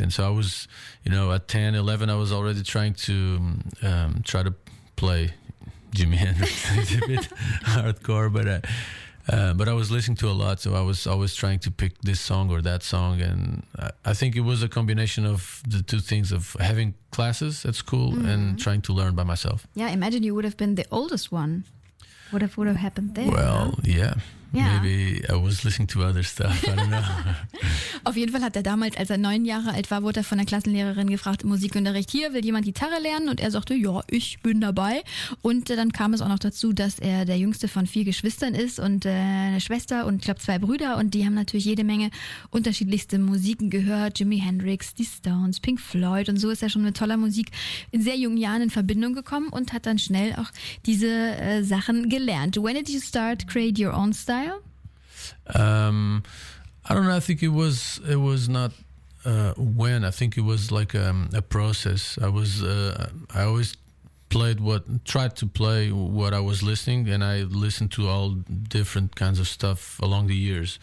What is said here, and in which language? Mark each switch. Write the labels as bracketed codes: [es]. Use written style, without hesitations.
[en] And so I was, you know, at 10, 11, I was already trying to try to play Jimi Hendrix, a bit hardcore, but I was listening to a lot, so I was always trying to pick this song or that song, and I think it was a combination of the two things of having classes at school mm-hmm. and trying to learn by myself. Yeah, imagine you would have been the oldest one. What would have happened there? Well, huh? Yeah. Yeah. Maybe I was listening to other stuff, I don't know. [de] Auf jeden Fall hat er damals, als er 9 Jahre alt war, wurde er von der Klassenlehrerin gefragt, Musikunterricht, hier, will jemand Gitarre lernen? Und er sagte, ja, ich bin dabei. Und dann kam es auch noch dazu, dass er der jüngste von 4 Geschwistern ist und eine Schwester und ich glaube 2 Brüder. Und die haben natürlich jede Menge unterschiedlichste Musiken gehört. Jimi Hendrix, die Stones, Pink Floyd und so ist er schon mit toller Musik in sehr jungen Jahren in Verbindung gekommen und hat dann schnell auch diese Sachen gelernt. [en] When did you start create your own style? I don't know. I think it was not when. I think it was like a process. I was I always tried to play what I was listening, and I listened to all different kinds of stuff along the years.